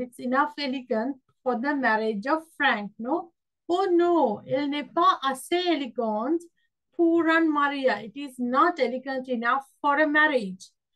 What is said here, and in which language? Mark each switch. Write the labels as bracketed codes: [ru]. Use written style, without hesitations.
[en] It's enough elegant for the marriage of Frank, no? Oh no, [fr] elle n'est pas assez élégante pour un mariage. [en] It is not elegant enough for a marriage.